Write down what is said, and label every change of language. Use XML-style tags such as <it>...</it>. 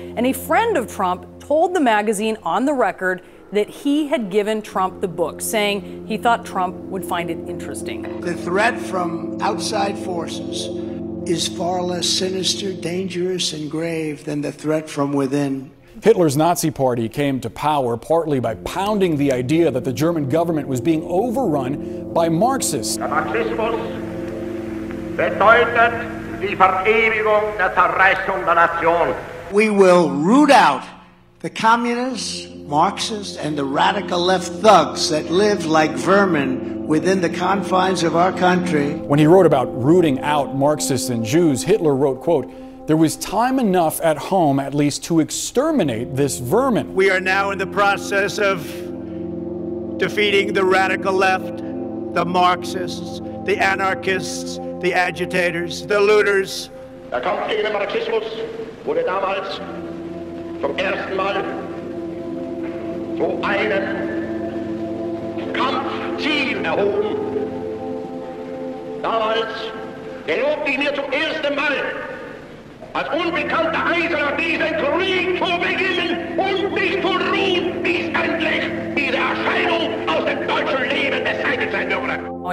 <en>And a friend of Trump told the magazine on the record that he had given Trump the book, saying he thought Trump would find it interesting. The threat from outside forces is far less sinister, dangerous, and grave than the threat from within. Hitler's Nazi party came to power partly by pounding the idea that the German government was being overrun by Marxists.</en> <de>Der Marxismus bedeutet die Verewigung der Zerreißung der Nation.</de> <en>We will root out the communists, Marxists, and the radical left thugs that live like vermin within the confines of our country. When he wrote about rooting out Marxists and Jews, Hitler wrote, quote, there was time enough at home at least to exterminate this vermin. We are now in the process of defeating the radical left, the Marxists, the anarchists, the agitators, the looters.</en> <de>Der Kampf gegen den Marxismus wurde damals zum ersten Mal zu einem Kampfziel erhoben. Damals gelobte ich mir zum ersten Mal als unbekannter Eiserner diesen Krieg zu beginnen und nicht zu ruhen, bis endlich diese Erscheinung aus dem deutschen Leben beseitigt sein würde.</de>